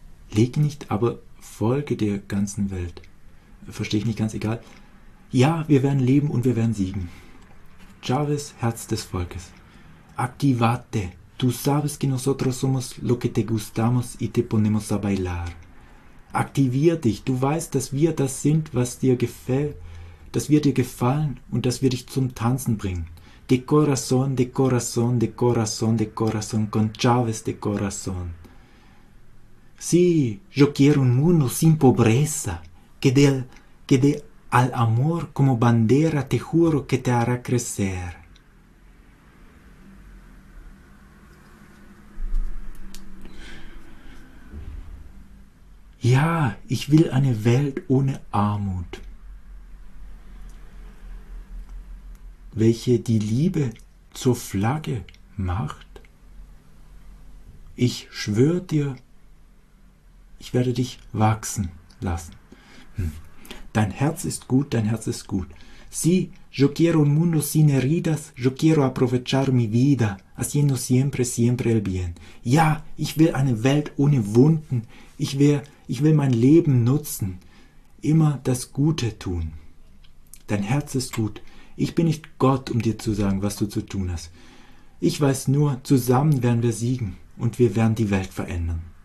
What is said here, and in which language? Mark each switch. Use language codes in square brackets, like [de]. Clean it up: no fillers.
[de] Leg nicht, aber folge der ganzen Welt. Verstehe ich nicht ganz, egal. Ja, wir werden leben und wir werden siegen. Chávez, Herz des Volkes. Activate. [es] Tú sabes que nosotros somos lo que te gustamos y te ponemos a bailar. [de] Aktivier dich. Du weißt, dass wir das sind, was dir gefällt, dass wir dir gefallen und dass wir dich zum Tanzen bringen. [es] De corazón, de corazón, de corazón, de corazón, con Chávez de corazón. Sí, yo quiero un mundo sin pobreza, que de al amor como bandera, te juro que te hará crecer. [de] Ja, ich will eine Welt ohne Armut, welche die Liebe zur Flagge macht. Ich schwör dir, ich werde dich wachsen lassen. Dein Herz ist gut, dein Herz ist gut. [es] Sí, yo quiero un mundo sin heridas, yo quiero aprovechar mi vida, haciendo siempre, siempre el bien. [de] Ja, ich will eine Welt ohne Wunden, ich will mein Leben nutzen, immer das Gute tun. Dein Herz ist gut. Ich bin nicht Gott, um dir zu sagen, was du zu tun hast. Ich weiß nur, zusammen werden wir siegen und wir werden die Welt verändern.